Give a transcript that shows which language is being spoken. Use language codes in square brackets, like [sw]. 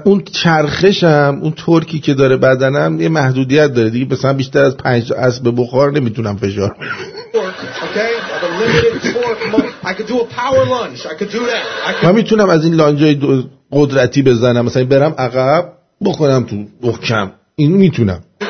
[fa] اون چرخشم، اون تورکی که داره بدنم یه محدودیت داره دیگه، مثلا بیشتر از 5 اسب بخار نمیتونم فشار. [en] Okay, I could do a power lunge. [fa] من میتونم از این لانجای قدرتی بزنم، مثلا برم عقب بخورم تو محکم، اینو میتونم.